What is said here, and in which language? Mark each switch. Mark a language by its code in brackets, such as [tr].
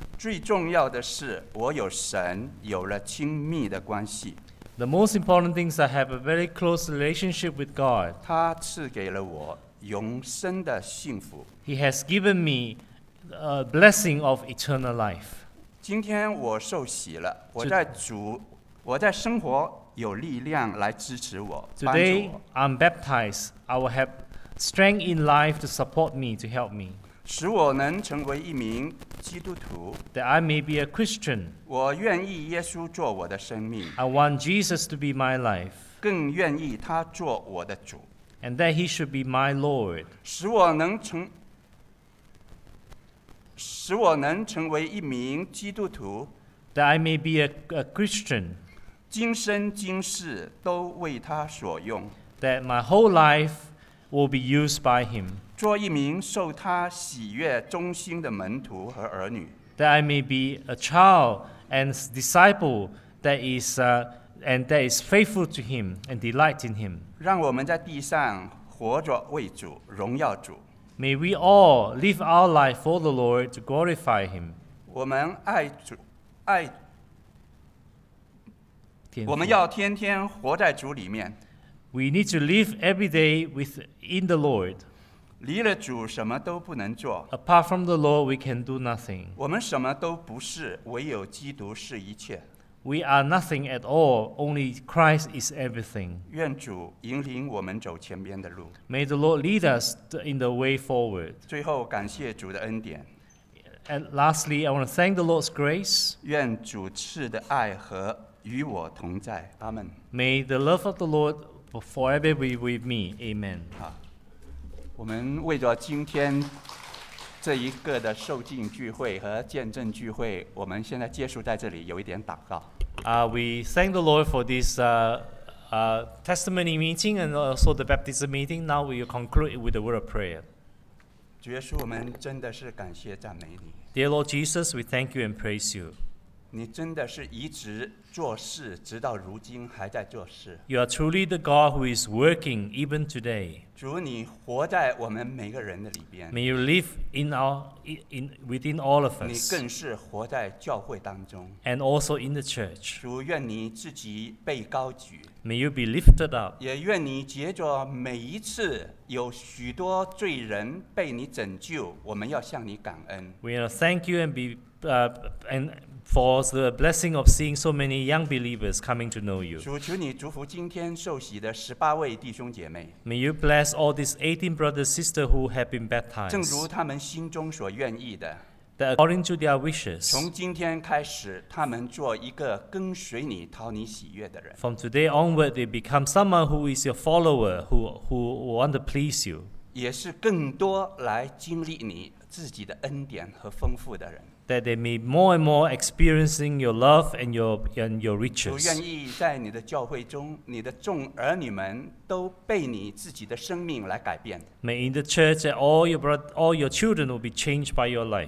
[zh] 最重要的是我有神，有了亲密的关系。 [en] The most important thing is I have a very close relationship with God. [zh] 他赐给了我永生的幸福。 [en] He has given me a blessing of eternal life. [zh] 今天我受洗了，我在主，我在生活有力量来支持我，帮助我。 [en] Today I'm baptized. I will have strength in life to support me, to help me. [zh] 使我能成为一名基督徒。 [en] That I may be a Christian. [zh] 我愿意耶稣做我的生命。 [en] I want Jesus to be my life. [zh] 更愿意他做我的主。 [en] And that he should be my Lord. [zh] 使我能成为一名基督徒。 [en] That I may be a Christian. [zh] 今生今世都为他所用。 [en] That my whole life will be used by him. [zh] 做一名受他喜悦忠心的门徒和儿女。 [en] That I may be a child and disciple that is and that is faithful to him and delight in him. [zh] 让我们在地上活着为主，荣耀主。 [en] May we all live our life for the Lord to glorify him. [zh] 我们爱主，爱。我们要天天活在主里面。 [en] We need to live every day within the Lord. [zh] 离了主什么都不能做。 [en] Apart from the Lord, we can do nothing. [zh] 我们什么都不是，唯有基督是一切。 [en] We are nothing at all, only Christ is everything. [zh] 愿主引领我们走前边的路。 [en] May the Lord lead us in the way forward. [zh] 最后感谢主的恩典。 [en] And lastly, I want to thank the Lord's grace. [zh] 愿主赐的爱和与我同在。 [en] Amen. May the love of the Lord forever be with me. Amen. [zh] 我们为着今天这一个的受浸聚会和见证聚会，我们现在结束在这里，有一点祷告。 [en] We thank the Lord for this testimony meeting and also the baptism meeting. Now we will conclude with a word of prayer. [zh] 主耶稣，我们真的是感谢赞美你。 [en] Dear Lord Jesus, we thank you and praise you. [zh] 你真的是一直做事，直到如今还在做事。 [en] You are truly the God who is working even today. [zh] 主，你活在我们每个人的里边。 [en] May you live within all of us. [zh] 你更是活在教会当中。 [en] And also in the church. [zh] 主，愿你自己被高举。 [en] May you be lifted up. [zh] 也愿你藉着每一次有许多罪人被你拯救，我们要向你感恩。 [en] We are thank you and be and for the blessing of seeing so many young believers coming to know you. [zh] 主，求你祝福今天受洗的十八位弟兄姐妹。 [en] May you bless all these 18 brothers and sisters who have been baptized. [zh] 正如他们心中所愿意的。 [en] That according to their wishes. [zh] 从今天开始，他们做一个跟随你、讨你喜悦的人。 [en] From today onward, they become someone who is your follower, who want to please you. [zh] 也是更多来经历你自己的恩典和丰富的人。 [en] That they may more and more experiencing your love and your riches. [zh] 主愿意在你的教会中，你的众儿女们都被你自己的生命来改变。 [en] May in the church that all your children will be changed by your life.